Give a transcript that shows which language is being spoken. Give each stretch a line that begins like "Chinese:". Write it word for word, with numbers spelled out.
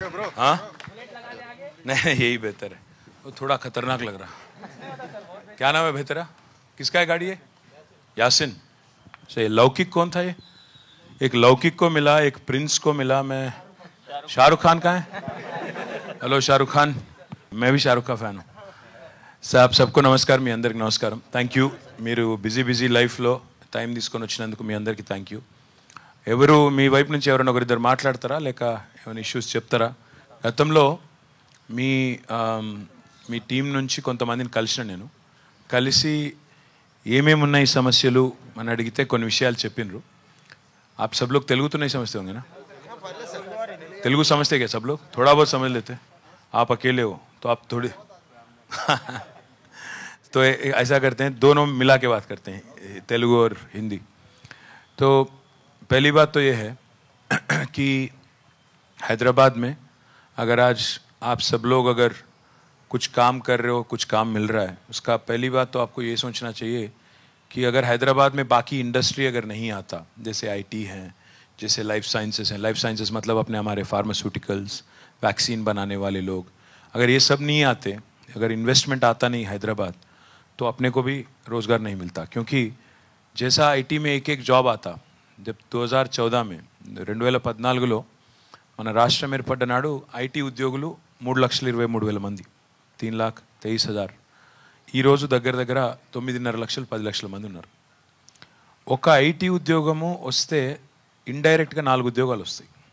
Hindi: हाँ नहीं नहीं यही बेहतर है, वो थोड़ा खतरनाक लग रहा। क्या नाम है बेहतरा? किसका है गाड़ी है? यासिन। सही। लौकिक कौन था ये? एक लौकिक को मिला, एक प्रिंस को मिला। मैं शाहरुख खान का है। हेलो शाहरुख खान, मैं भी शाहरुख का फ़ैन हूँ సాబ్.
Telugu: सबको నమస్కారం, మీ అందరికి నమస్కారం. Thank you. మీరు బిజీ బిజీ లైఫ్లో టైం తీసుకొని వచ్చినందుకు మీ అందరికీ థ్యాంక్ యూ. ఎవరు మీ వైపు నుంచి ఎవరైనా ఒకరిద్దరు మాట్లాడతారా లేక ఏమైనా ఇష్యూస్ చెప్తారా? గతంలో మీ మీ టీం నుంచి కొంతమందిని కలిసిన నేను కలిసి ఏమేమి ఉన్నాయి సమస్యలు అని అడిగితే కొన్ని విషయాలు చెప్పినారు.
Hindi: आप सब लोग तेलुगु तो नहीं समझते होंगे ना? तेलुगु समझते क्या सब लोग? थोड़ा बहुत समझ लेते. आप अकेले हो तो आप थोड़े तो ऐसा करते हैं, दोनों मिला के बात करते हैं, तेलुगु और हिंदी. तो पहली बात तो ये है कि हैदराबाद में अगर आज आप सब लोग अगर कुछ काम कर रहे हो, कुछ काम मिल रहा है, उसका पहली बात तो आपको ये सोचना चाहिए कि अगर हैदराबाद में बाकी इंडस्ट्री अगर नहीं आता, जैसे आईटी हैं, जैसे लाइफ साइंसेस हैं. लाइफ साइंसेस मतलब अपने हमारे फार्मास्यूटिकल्स, वैक्सीन बनाने वाले लोग. अगर ये सब नहीं आते, अगर इन्वेस्टमेंट आता नहीं हैदराबाद, तो अपने को भी रोज़गार नहीं मिलता. क्योंकि जैसा आईटी में एक एक जॉब आता, जब दो हज़ार चौदह में
Telugu: రెండు వేల పద్నాలుగులో మన రాష్ట్రం ఏర్పడ్డనాడు ఐటీ ఉద్యోగులు మూడు లక్షల ఇరవై మూడు వేల మంది,
Hindi: తీన్ లాక్ తెయిస్ హజార్.
Telugu: ఈరోజు దగ్గర దగ్గర తొమ్మిదిన్నర లక్షలు పది లక్షల మంది ఉన్నారు. ఒక ఐటీ ఉద్యోగము వస్తే ఇండైరెక్ట్గా నాలుగు ఉద్యోగాలు వస్తాయి.